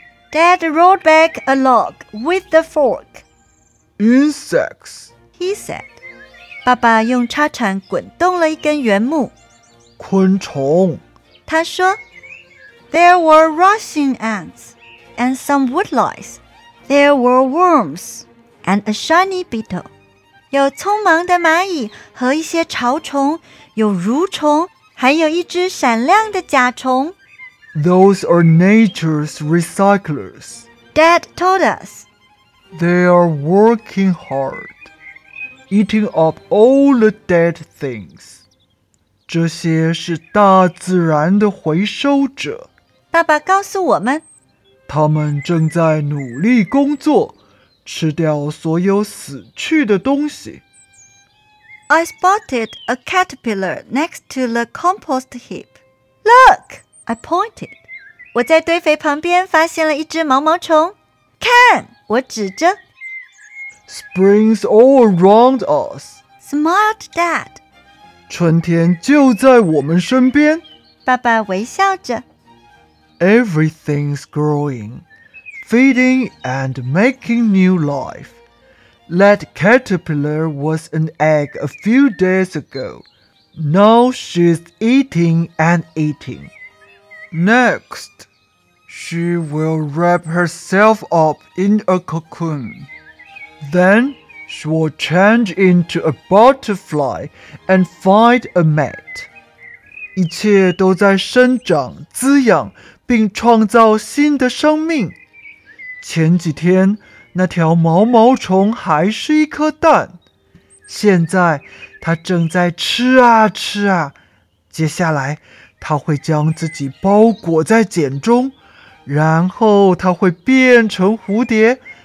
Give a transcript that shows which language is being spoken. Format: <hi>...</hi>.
<en>Dad rolled back a log with the fork. Insects, he said.</en> <zh>爸爸用叉铲滚动了一根圆木。昆虫，他说。</zh> <en>There were rushing ants and some woodlice. There were worms and a shiny beetle.</en> <zh>有匆忙的蚂蚁和一些潮虫，有蠕虫，还有一只闪亮的甲虫。</zh> <en>Those are nature's recyclers, Dad told us. They are working hard. Eating up all the dead things.</en> <zh>这些是大自然的回收者。爸爸告诉我们，他们正在努力工作，吃掉所有死去的东西。</zh> <en>I spotted a caterpillar next to the compost heap. Look, I pointed.</en> <zh>我在堆肥旁边发现了一只毛毛虫。看，我指着。</zh> <en>Spring's all around us, smiled Dad.</en> <zh>春天就在我们身边。爸爸微笑着。</zh> <en>Everything's growing, feeding and making new life. That caterpillar was an egg a few days ago. Now she's eating and eating. Next, she will wrap herself up in a cocoon. Then she will change into a butterfly and find a mate.</en> <zh>一切都在生长、滋养并创造新的生命。前几天，那条毛毛虫还是一颗蛋。现在，它正在吃啊吃啊。接下来，它会将自己包裹在茧中，然后它会变成蝴蝶。</zh>